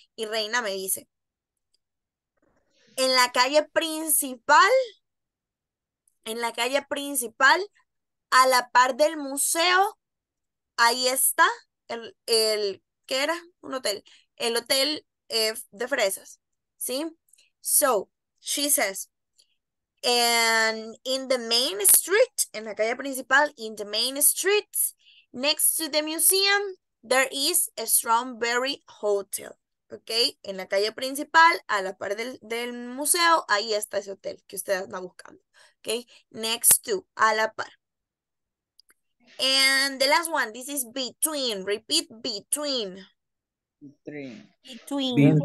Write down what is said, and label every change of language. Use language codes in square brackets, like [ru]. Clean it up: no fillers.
[es] Y Reina me dice, en la calle principal, a la par del museo, ahí está el ¿qué era? Un hotel. El hotel de fresas, ¿sí? [en] So, she says, and in the main street, [es] en la calle principal, [en] in the main street, next to the museum, there is a Strawberry Hotel, ¿ok? [es] En la calle principal, a la par del museo, ahí está ese hotel que usted está buscando. [en] Okay, next to, [es] a la par. [en] And the last one, this is between. Repeat between. Between. Between.